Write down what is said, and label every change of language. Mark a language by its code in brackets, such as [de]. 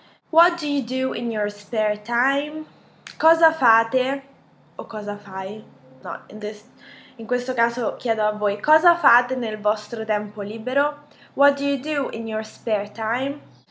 [en] What do you do in your spare time? [it] Cosa fate o cosa fai? No, in questo caso chiedo a voi, cosa fate nel vostro tempo libero? [en] What do you do in your spare time?